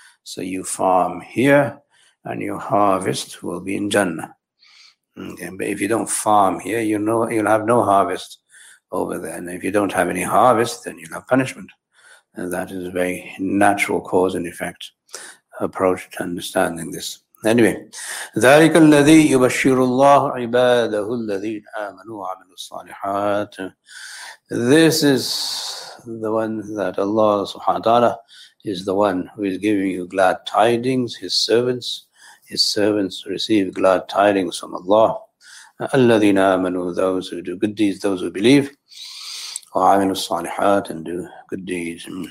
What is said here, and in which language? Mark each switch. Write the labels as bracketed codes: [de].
[en] So you farm here, and your harvest will be in Jannah. Okay, but if you don't farm here, you'll have no harvest over there. And if you don't have any harvest, then you'll have punishment. And that is a very natural cause and effect approach to understanding this. Anyway, [ar] ذَلِكَ الَّذِي يُبَشِّرُ اللَّهُ عِبَادَهُ الَّذِينَ آمَنُوا وَعَمِلُوا الصَّالِحَاتِ. [en] This is the one that Allah subhanahu wa ta'ala is the one who is giving you glad tidings, His servants. His servants receive glad tidings from Allah. [ar] الَّذِينَ آمَنُوا, [en] those who do good deeds, those who believe, [ar] وَعَمِلُوا الصَّالِحَاتِ, [en] and do good deeds.